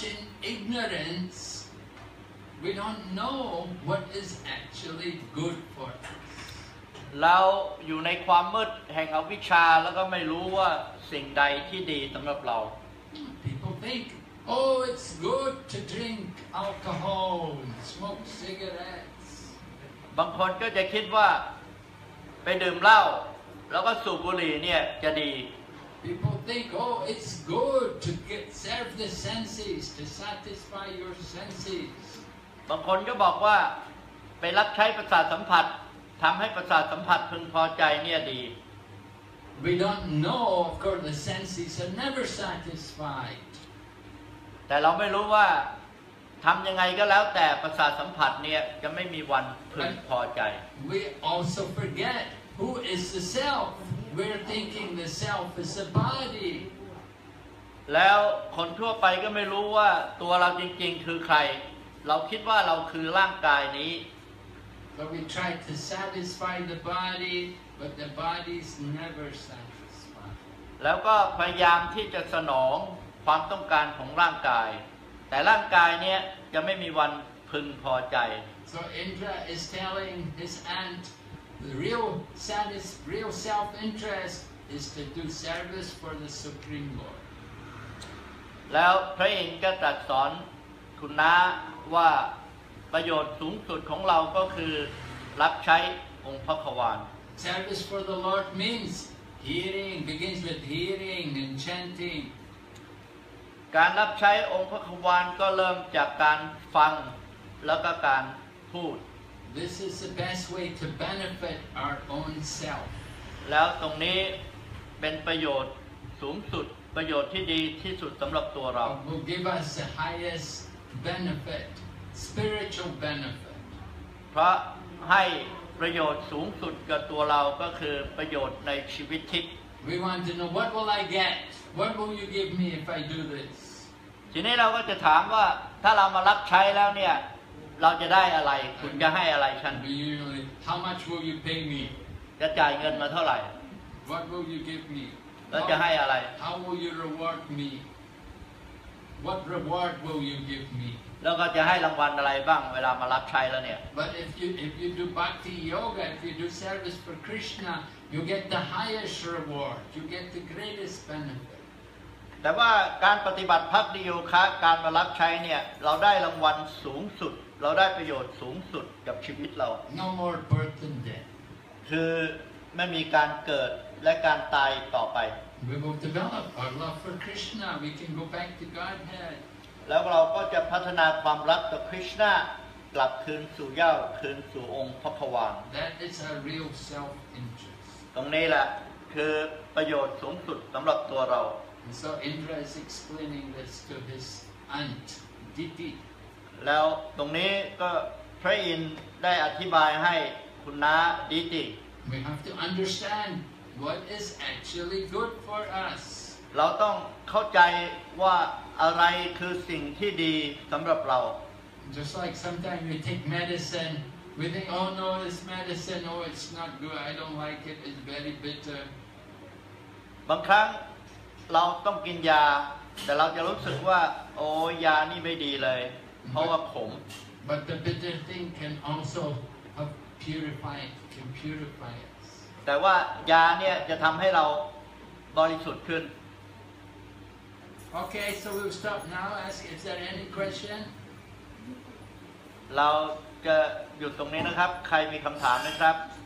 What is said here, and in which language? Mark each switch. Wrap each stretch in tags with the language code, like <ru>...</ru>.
<en>we're so much in ignorance, we don't know what is actually good for us.</en> <th>เราอยู่ในความมืดแห่งอวิชชาแล้วก็ไม่รู้ว่าสิ่งใดที่ดีสำหรับเรา</th> <en>People think, oh, it's good to drink alcohol, smoke cigarettes.</en> <th>บางคนก็จะคิดว่าไปดื่มเหล้าแล้วก็สูบบุหรี่เนี่ยจะดี</th> <en>People think, oh, it's good to get serve the senses, to satisfy your senses.</en> <th>บางคนก็บอกว่าไปรับใช้ประสาทสัมผัสทำให้ประสาทสัมผัสพึงพอใจเนี่ยดี</th> <en>We don't know, of course, the senses are never satisfied.</en> <th>แต่เราไม่รู้ว่าทำยังไงก็แล้วแต่ประสาทสัมผัสเนี่ยจะไม่มีวันพึงพอใจ</th> <en>We also forget who is the self. We're thinking the self is a body.</en> <th>แล้วคนทั่วไปก็ไม่รู้ว่าตัวเราจริงๆคือใครเราคิดว่าเราคือร่างกายนี้</th> <en>But we try to satisfy the body, but the body's never satisfied.</en> <th>แล้วก็พยายามที่จะสนองความต้องการของร่างกายแต่ร่างกายเนี้ยจะไม่มีวันพึงพอใจ</th> <en>So Indra is telling his aunt, the real real self-interest is to do service for the Supreme Lord.</en> <th>แล้วพระอินทร์ก็ตรัสสอนคุณน้าว่าประโยชน์สูงสุดของเราก็คือรับใช้องค์พระขวาน</th> <en>Service for the Lord means hearing, begins with hearing and chanting.</en> <th>การรับใช้องค์พระขวานก็เริ่มจากการฟังแล้วก็การพูด</th> <en>This is the best way to benefit our own self.</en> <th>แล้วตรงนี้เป็นประโยชน์สูงสุดประโยชน์ที่ดีที่สุดสำหรับตัวเรา</th> <en>Will give us the highest benefit. Spiritual benefit.</en> <th>เพราะให้ประโยชน์สูงสุดกับตัวเราก็คือประโยชน์ในชีวิตทิพย์</th> <en>We want to know what will I get? What will you give me if I do this?</en> <th>ทีนี้เราก็จะถามว่าถ้าเรามารับใช้แล้วเนี่ยเราจะได้อะไรคุณจะให้อะไรฉัน</th> <en>How much will you pay me?</en> <th>จะจ่ายเงินมาเท่าไหร่</th> <en>What will you give me?</en> <th>แล้วจะให้อะไร</th> <en>How will you reward me? What reward will you give me?</en> <th>แล้วก็จะให้รางวัลอะไรบ้างเวลามารับใช้แล้วเนี่ย</th> <en>But if you do bhakti yoga if you do service for Krishna you get the highest reward you get the greatest benefit</en> <th>แต่ว่าการปฏิบัติภักดิโยคะการมารับใช้เนี่ยเราได้รางวัลสูงสุดเราได้ประโยชน์สูงสุดกับชีวิตเรา</th> <en>No more birth and death</en> <th>คือไม่มีการเกิดและการตายต่อไป</th> <en>We will develop our love for Krishna we can go back to Godhead.</en> <th>แล้วเราก็จะพัฒนาความรักต่อคริสต์นากลับคืนสู่เย้าคืนสู่องค์พระผวาง</th> <en>That is a real self-interest</en> <th>ตรงนี้แหละคือประโยชน์สูงสุดสำหรับตัวเรา</th> <en>And so Indra is explaining this to his aunt Diti</en> <th>แล้วตรงนี้ก็พระอินทร์ได้อธิบายให้คุณน้าดิติ</th> <en>We have to understand what is actually good for us</en> <th>เราต้องเข้าใจว่าอะไรคือสิ่งที่ดีสำหรับเรา</th> <en>Just like sometimes we take medicine, we think, oh no, this medicine, oh it's not good, I don't like it, it's very bitter.</en> <th>บางครั้งเราต้องกินยาแต่เราจะรู้สึกว่าโอ้ยานี่ไม่ดีเลยเพราะว่าขม</th> <en>But the bitter thing can also have purified, can purify us.</en> <th>แต่ว่ายาเนี่ยจะทำให้เราบริสุทธิ์ขึ้น</th> <en>Okay, so we'll stop now. Ask if there any question.</en> <th>เราจะหยุดตรงนี้นะครับใครมีคำถามไหมครับ</th>